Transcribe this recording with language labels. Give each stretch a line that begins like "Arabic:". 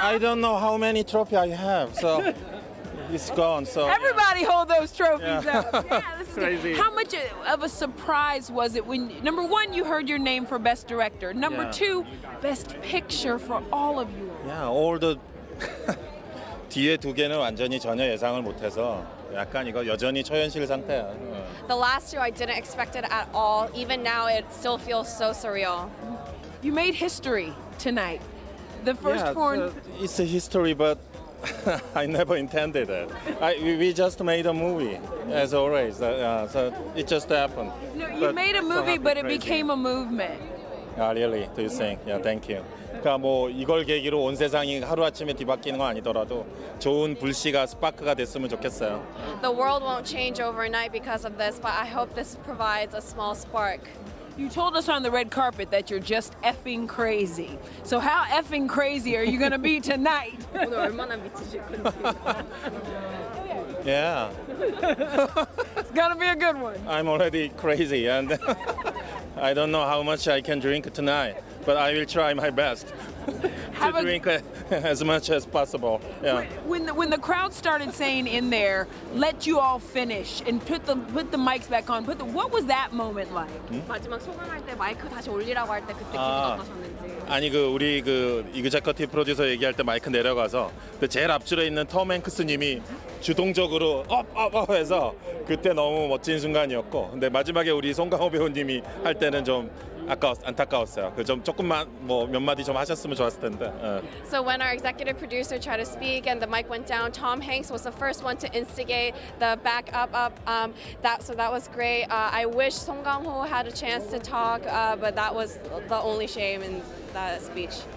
English: I don't know how many trophies I have, so... It's gone, so... Everybody hold those trophies up. Yeah, this is crazy. How much of a surprise was it when, number one, you heard your name for Best Director, number two, Best Picture for all of you? Yeah, all the...
Korean: 뒤에 두 개는 완전히 전혀 예상을 못해서 약간 이거 여전히 초현실 상태야.
English: The last two I didn't expect it at all. Even now, it still feels so surreal. You made history tonight. The first foreign... It's a history, but... I never intended it. We just made a movie, as always. So it just happened. No, you but made a movie, but it became a movement. Ah, really? Do you think? Yeah, thank you.
Korean: 그러니까 뭐 이걸 계기로 온 세상이 하루 아침에 뒤바뀌는 건 아니더라도 좋은 불씨가 스파크가 됐으면 좋겠어요.
English: The world won't change overnight because of this, but I hope this provides a small spark. You told us on the red carpet that you're just effing crazy. So how effing crazy are you going to be tonight? Yeah. It's going to be a good one. I'm already crazy and I don't know how much I can drink tonight, but I will try my best to drink as much as possible. Yeah. When the crowd started saying in there, let you all finish and put the mics back on, what was that moment like?
Korean: 마지막 소감할 때 마이크 다시 올리라고 할 때 그때 기분 어떠셨는지. 아니 그 우리 그 이그자커티 프로듀서 얘기할 때 마이크 내려가서 그 제일 앞줄에 있는 톰 행크스님이 주동적으로 업업업 해서 그때 너무 멋진 순간이었고 근데 마지막에 우리 송강호 배우님이 할 때는 좀
English: So when our executive producer tried to speak and the mic went down, Tom Hanks was the first one to instigate the back up, up. So that was great. I wish Song Kang-ho had a chance to talk, but that was the only shame in that speech.